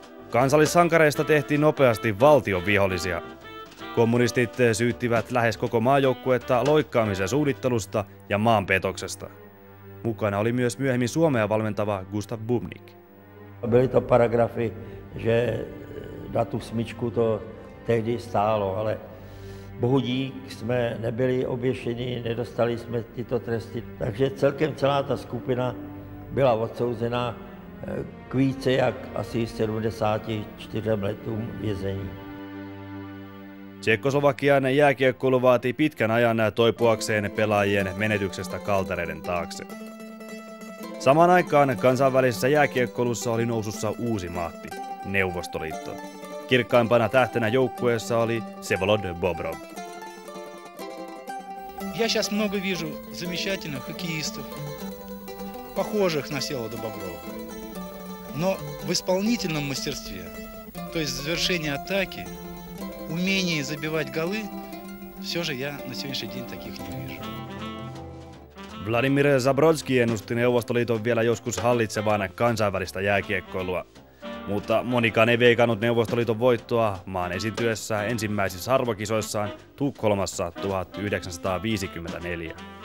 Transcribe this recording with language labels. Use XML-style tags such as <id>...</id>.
<fi>Kansallissankareista tehtiin nopeasti valtion vihollisia. Kommunistit syyttivät lähes koko maajoukkuetta loikkaamisen suunnittelusta ja maanpetoksesta. Mukana oli myös myöhemmin Suomea valmentava Gustav Bubnik.</fi> <cs>Byly to paragrafy, že na tu smyčku to tehdy stálo, ale bohu dík jsme nebyli oběšeni, nedostali jsme tyto tresty. Takže celkem celá ta skupina byla odsouzena k více jak asi 74 letům vězení.</cs> <fi>Tšekkoslovakian jääkiekkoilu vaatii pitkän ajan toipuakseen pelaajien menetyksestä kaltereiden taakse. Samaan aikaan kansainvälisessä jääkiekkoilussa oli nousussa uusi mahti, Neuvostoliitto. Kirkkaimpana tähtenä joukkueessa oli Sevolod Bobrov.</fi> <ru>Я сейчас много вижу замечательных хоккеистов, похожих на Севолода Боброва. Но в исполнительном мастерстве, то есть в завершении атаки, умение забивать голы, все же я на сегодняшний день таких не вижу.</ru> <fi>Vladimir Zabrodski ennusti Neuvostoliiton vielä joskus hallitsevan kansainvälistä jääkiekkoilua, mutta monikaan ei veikannut Neuvostoliiton voittoa maan esiintyessä ensimmäisissä arvokisoissaan Tukholmassa 1954.</fi>